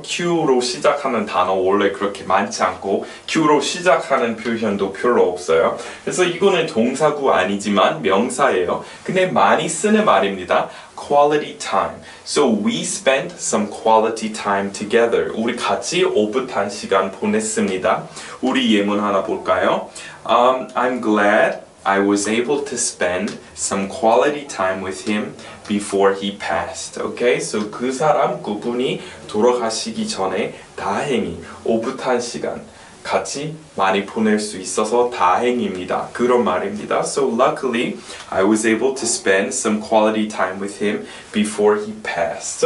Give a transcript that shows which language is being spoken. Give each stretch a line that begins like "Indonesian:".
Korean: Q로 시작하는 단어 원래 그렇게 많지 않고 Q로 시작하는 표현도 별로 없어요. 그래서 이거는 동사구 아니지만 명사예요. 근데 많이 쓰는 말입니다.
English: Quality time. So we spent some quality time together.
Korean: 우리 같이 오붓한 시간 보냈습니다. 우리 예문 하나 볼까요?
English: I'm glad I was able to spend some quality time with him before he passed.
Korean: Okay, so 그 사람, 그분이 돌아가시기 전에 다행히 오붓한 시간 같이 많이 보낼 수 있어서 다행입니다. 그런 말입니다.
English: So luckily, I was able to spend some quality time with him before he passed.